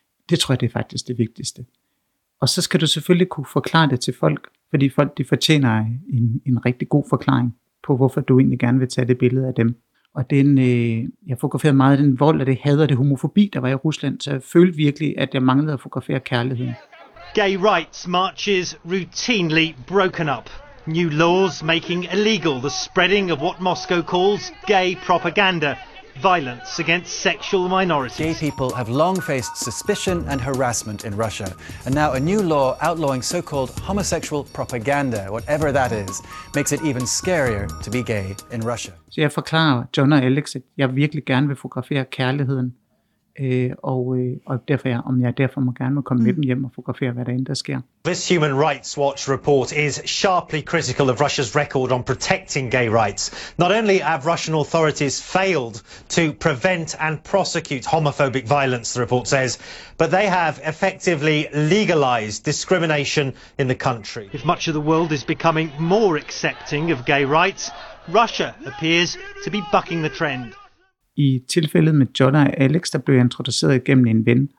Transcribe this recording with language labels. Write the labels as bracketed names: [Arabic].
[Danish] Det tror jeg, det er faktisk det vigtigste. Og så skal du selvfølgelig kunne forklare det til folk, fordi folk de fortjener en rigtig god forklaring på, hvorfor du egentlig gerne vil tage det billede af dem. Og jeg fotograferede meget den vold, og det hader det homofobi, der var i Rusland, så jeg følte virkelig, at jeg manglede at fotografere kærligheden. [English] Gay rights marches routinely broken up. new laws making illegal the spreading of what Moscow calls gay propaganda, violence against sexual minorities. Gay people have long faced suspicion and harassment in Russia, and now a new law outlawing so-called homosexual propaganda, whatever that is, makes it even scarier to be gay in Russia. [Danish] Så jeg forklarer John og Alex, at jeg virkelig gerne vil fotografere kærligheden, og derfor jeg, om jeg derfor må gerne må komme med dem hjem og fotografere, hvad der end der sker. [English] This Human Rights Watch report is sharply critical of Russia's record on protecting gay rights. Not only have Russian authorities failed to prevent and prosecute homophobic violence, the report says, but they have effectively legalized discrimination in the country. If much of the world is becoming more accepting of gay rights, Russia appears to be bucking the trend. [Danish] I tilfældet med John og Alex, der blev introduceret gennem en ven.